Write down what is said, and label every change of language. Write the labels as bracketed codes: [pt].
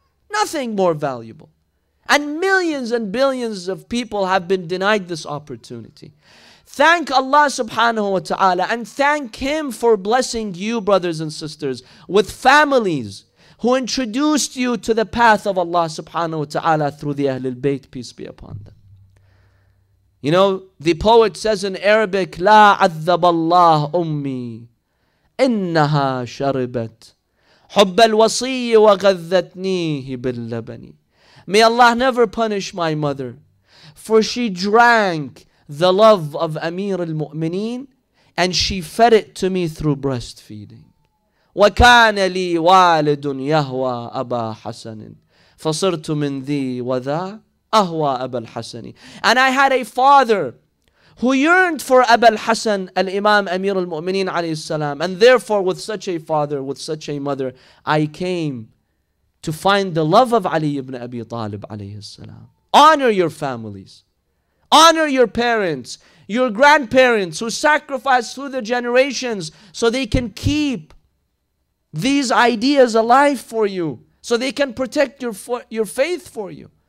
[en] Nothing more valuable. And millions and billions of people have been denied this opportunity. Thank Allah subhanahu wa ta'ala and thank Him for blessing you, brothers and sisters, with families who introduced you to the path of Allah subhanahu wa ta'ala through the Ahlul Bayt, peace be upon them. You know, the poet says in Arabic, [ar] La عذب الله أمي إنها شربت حب الوصي وغذتنيه باللبن. [en] May Allah never punish my mother, for she drank the love of Amir al-Mu'mineen and she fed it to me through breastfeeding. [ar] وكان لي والد يهوى أبا حسن فصرت من ذي وذا أهوى أبا الحسن. [en] And I had a father who yearned for Abu al-Hasan al-Imam Amir al-Mu'mineen alayhi salam. And therefore with such a father, with such a mother, I came to find the love of Ali ibn Abi Talib alayhi salam. Honor your families. Honor your parents, your grandparents who sacrificed through the generations so they can keep these ideas alive for you, so they can protect your faith for you.